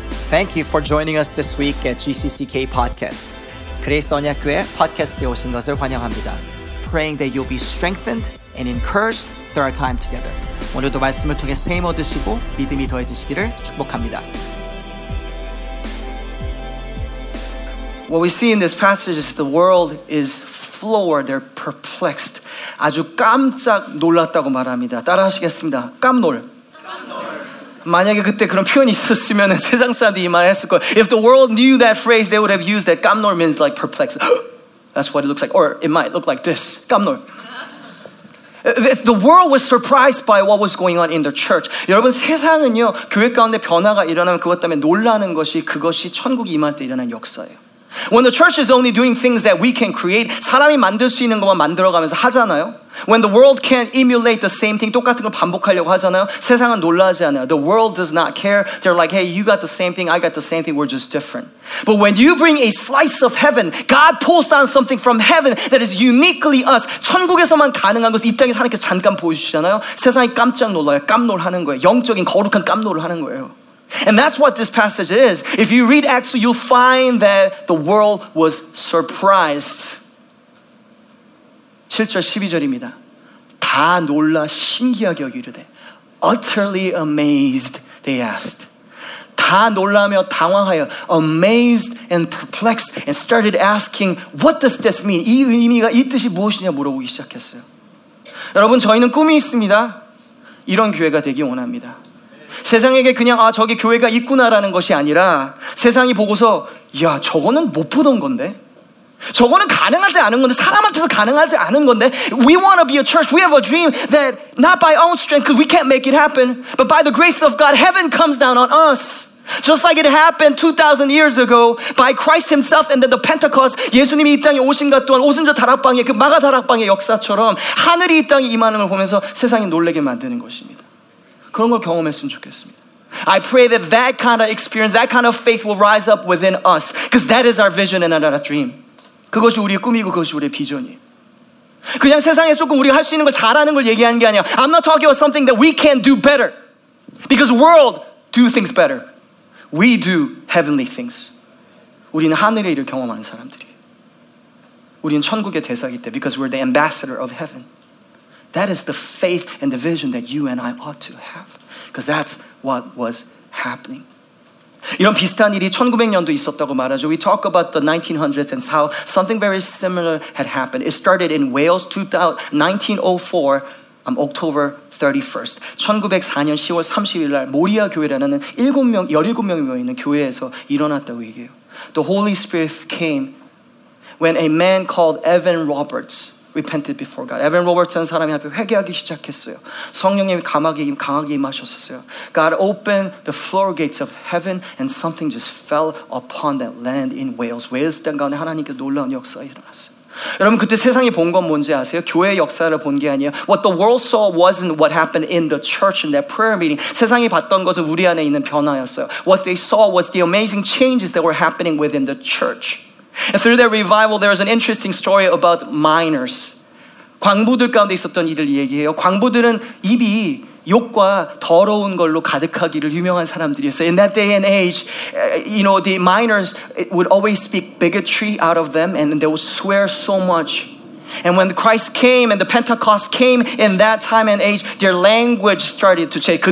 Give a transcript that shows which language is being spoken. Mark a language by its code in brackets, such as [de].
[en] Thank you for joining us this week at GCCK Podcast. [ko] 그레이스 언약교회 팟캐스트에 오신 것을 환영합니다. [en] Praying that you'll be strengthened and encouraged through our time together. [ko] 오늘도 말씀을 통해 세임 얻으시고 믿음이 더해지시기를 축복합니다. [en] What we see in this passage is the world is floored, they're perplexed. [ko] 아주 깜짝 놀랐다고 말합니다. 따라하시겠습니다. 깜놀. 만약에 그때 그런 표현이 있었으면 세상 사람들이 이 말을 했을 거예요. [en] If the world knew that phrase, they would have used that. 깜놀 means like perplexed. That's what it looks like. Or it might look like this. 깜놀. The world was surprised by what was going on in the church. [ko] 여러분, 세상은요, 교회 가운데 변화가 일어나면 그것 때문에 놀라는 것이 그것이 천국이 임할 때 일어난 역사예요. [en] When the church is only doing things that we can create, [ko] 사람이 만들 수 있는 것만 만들어가면서 하잖아요. [en] When the world can't emulate the same thing, [ko] 똑같은 걸 반복하려고 하잖아요. 세상은 놀라지 않아요. [en] The world does not care. They're like, hey, you got the same thing, I got the same thing, we're just different. But when you bring a slice of heaven, God pulls down something from heaven that is uniquely us. [ko] 천국에서만 가능한 것을 이 땅에서 하나님께서 잠깐 보여주시잖아요. 세상이 깜짝 놀라요. 깜놀하는 거예요. 영적인 거룩한 깜놀을 하는 거예요. [en] And that's what this passage is. If you read Acts, you'll find that the world was surprised. [ko] 7절 12절입니다. 다 놀라 신기하게 여기르되 [en] utterly amazed they asked. [ko] 다 놀라며 당황하여 [en] amazed and perplexed and started asking, what does this mean? [ko] 이 의미가 이 뜻이 무엇이냐 물어보기 시작했어요. 여러분, 저희는 꿈이 있습니다. 이런 교회가 되기 원합니다. 세상에게 그냥 아 저기 교회가 있구나라는 것이 아니라 세상이 보고서 야 저거는 못 보던 건데 저거는 가능하지 않은 건데 [en] 사람한테서 가능하지 않은 건데 We want to be a church. We have a dream that not by our own strength because we can't make it happen but by the grace of God heaven comes down on us just like it happened 2,000 years ago by Christ himself and then the Pentecost [ko] 예수님이 이 땅에 오신 것 또한 오순절 다락방의 그 마가 다락방의 역사처럼 하늘이 이 땅에 임하는 걸 보면서 세상이 놀라게 만드는 것입니다. 그런 걸 경험했으면 좋겠습니다. [en] I pray that that kind of experience, that kind of faith will rise up within us. Because that is our vision and our dream. [ko] 그것이 우리의 꿈이고 그것이 우리의 비전이에요. 그냥 세상에 조금 우리가 할 수 있는 걸 잘하는 걸 얘기하는 게 아니야. [en] I'm not talking about something that we can do better. Because world do things better. We do heavenly things. [ko] 우리는 하늘의 일을 경험하는 사람들이에요. 우리는 천국의 대사이기 때문에 [en] because we're the ambassador of heaven. That is the faith and the vision that you and I ought to have. Because that's what was happening. [ko] 이런 비슷한 일이 1900년도 있었다고 말하죠. [en] We talk about the 1900s and how something very similar had happened. It started in Wales 1904, October 31st. [ko] 1904년 10월 30일 날 모리아 교회라는 17명이 모이는 교회에서 일어났다고 얘기해요. [en] The Holy Spirit came when a man called Evan Roberts repented before God. [ko] Evan Roberts는 사람이 앞에 회개하기 시작했어요. 성령님이 강하게 임하셨었어요. [en] God opened the floodgates of heaven and something just fell upon that land in Wales. [ko] Wales 땅 가운데 하나님께 놀라운 역사가 일어났어요. 여러분 그때 세상이 본 건 뭔지 아세요? 교회의 역사를 본 게 아니에요. [en] What the world saw wasn't what happened in the church in that prayer meeting. [ko] 세상이 봤던 것은 우리 안에 있는 변화였어요. [en] What they saw was the amazing changes that were happening within the church. And through that revival, there is an interesting story about miners. [ko] 광부들 가운데 있었던 이들 얘기예요. 광부들은 입이 욕과 더러운 걸로 가득하기를 유명한 사람들이었어요. [en] In that day and age, you know, the miners would always speak bigotry out of them and they would swear so much. And when Christ came and the Pentecost came in that time and age, their language started to change.